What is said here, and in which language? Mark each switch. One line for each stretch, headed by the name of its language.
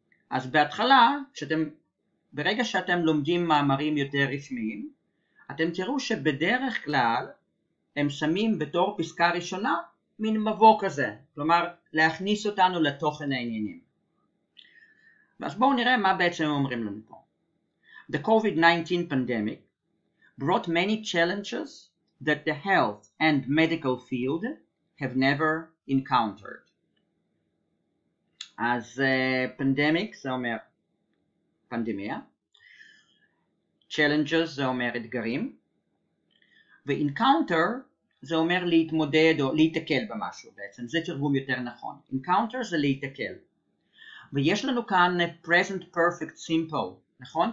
Hebrew: אז בהתחלה, ברגע שאתם לומדים מאמרים יותר רשמיים, אתם תראו שבדרך כלל הם שמים בתור פסקה ראשונה מין מבוא כזה, כלומר להכניס אותנו לתוכן העניינים. אז בואו נראה מה בעצם אומרים לנו פה.
English: The COVID-19 pandemic brought many challenges that the health and medical field have never encountered.
Hebrew: אז pandemic זה אומר פנדמיה, challenges זה אומר אתגרים, ו-encounter זה אומר להתמודד או להתקל במשהו בעצם, זה תרגום יותר נכון. Encounter זה להתקל. ויש לנו כאן present perfect simple, נכון?